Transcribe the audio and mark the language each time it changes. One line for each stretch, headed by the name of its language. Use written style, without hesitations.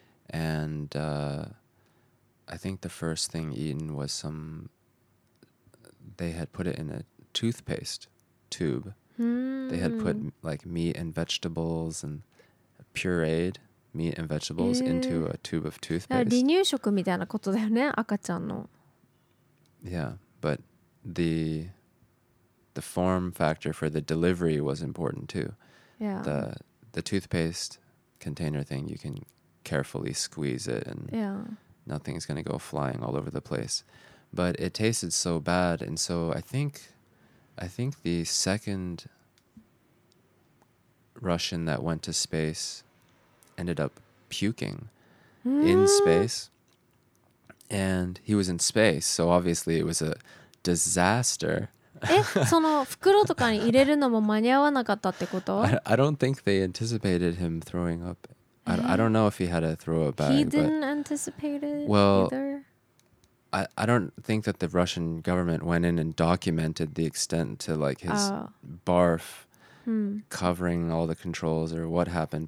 English: And I think the first thing eaten was some, they had put it in a toothpaste tube. They had put like meat and vegetables and pureed meat and vegetables into a tube of toothpaste.
Japanese: 離乳食みたいなことだよね、赤ちゃんの。
English: Yeah, but the form factor for the delivery was important too. Yeah. The toothpaste container thing, you can carefully squeeze it and yeah. Nothing's going to go flying all over the place. But it tasted so bad. And so I think the second Russian that went to space ended up puking in space. And he was in space. So obviously it was a disaster.
Japanese: その袋とかに入れるのも間に合わなかったってこと
English: I don't think they anticipated him throwing up. I don't know if he had a throw up bag. He didn't anticipate it either. I don't think that the Russian government went in and documented the extent to like his barf covering all the controls or what happened.